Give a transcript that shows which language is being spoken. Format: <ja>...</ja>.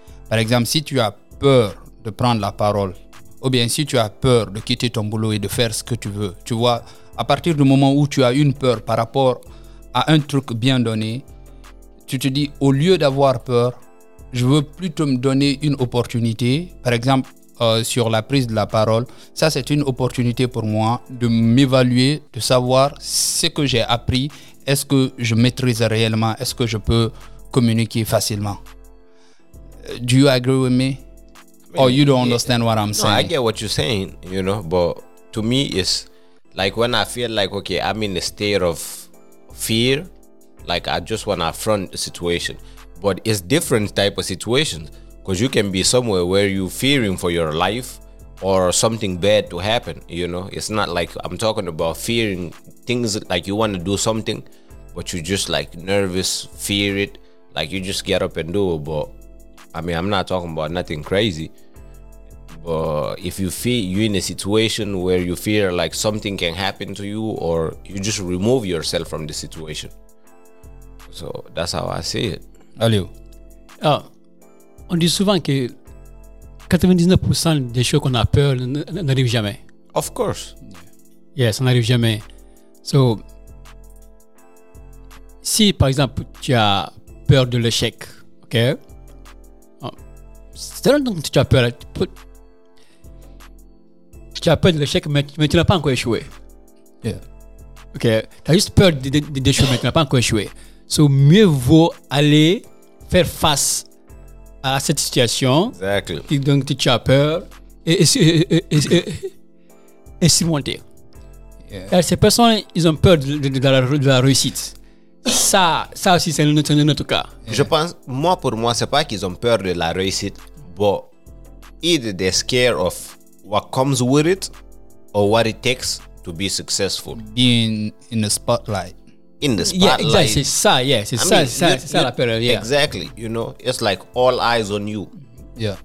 <fr>Par exemple, si tu as peur de prendre la parole, ou bien si tu as peur de quitter ton boulot et de faire ce que tu veux, tu vois, à partir du moment où tu as une peur par rapport à un truc bien donné, tu te dis, au lieu d'avoir peur, je veux plutôt me donner une opportunité, par exemple, sur la prise de la parole. Ça, c'est une opportunité pour moi de m'évaluer, de savoir ce que j'ai appris, est-ce que je maîtrise réellement, est-ce que je peux communiquer facilement.</fr> <en>Do you agree with me? Oh, you don't understand what I'm saying. No, I get what you're saying, you know, but to me, it's like when I feel like, okay, I'm in a state of fear, like I just want to affront the situation. But it's different type of situations because you can be somewhere where you're fearing for your life or something bad to happen, you know. It's not like I'm talking about fearing things like you want to do something, but you just like nervous, fear it, like you just get up and do it, but I mean, I'm not talking about nothing crazy, but if you feel you're in a situation where you fear like something can happen to you, or you just remove yourself from the situation. So that's how I see it. Aliou.</en> <fr>On dit souvent que 99% des choses qu'on a peur n'arrivent jamais.</fr> <en>Of course.</en> <fr>Yeah, ça n'arrive jamais. So, si par exemple, tu as peur de l'échec, ok? C'est donc que tu as peur. Tu as peur de l'échec, mais tu n'as pas encore échoué. Yeah. Ok. Tu as juste peur d'échouer, mais tu n'as pas encore échoué. Donc, mieux vaut aller faire face à cette situation.</fr> <en>Exactly.</en> <fr>Donc, tu as peur et surmonter. Yeah. Ces personnes, ils ont peur de la réussite. Ça aussi, c'est notre cas. Yeah. Je pense, moi, pour moi, c'est pas qu'ils ont peur de la réussite.</fr> <en>But either they're scared of what comes with it or what it takes to be successful. Being in the spotlight. In the spotlight. Yeah, exactly. It's exactly. You know, it's like all eyes on you. Yeah.</en>